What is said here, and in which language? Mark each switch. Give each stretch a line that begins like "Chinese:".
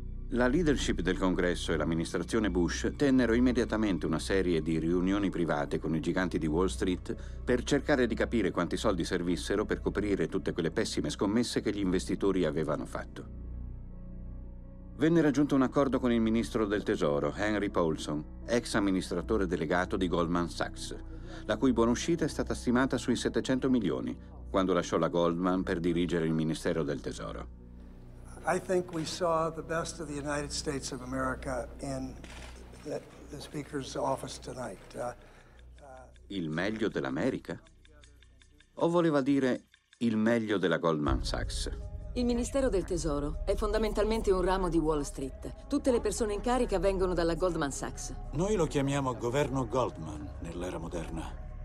Italian: La leadership del Congresso e l'amministrazione Bush tennero immediatamente una serie di riunioni private con i giganti di Wall Street per cercare di capire quanti soldi servissero per coprire tutte quelle pessime scommesse che gli investitori avevano fatto. Venne raggiunto un accordo con il ministro del Tesoro, Henry Paulson, ex amministratore delegato di Goldman Sachs, la cui buona uscita è stata stimata sui 700 milioni quando lasciò la Goldman per dirigere il Ministero del Tesoro.
English: I think we saw the best of the United States of America in the Speaker's office tonight.
Italian: Il meglio dell'America? O voleva dire il meglio della Goldman Sachs? Il Ministero del Tesoro è fondamentalmente un ramo di Wall Street. Tutte le persone in carica vengono dalla Goldman Sachs. Noi lo chiamiamo governo Goldman nell'era moderna.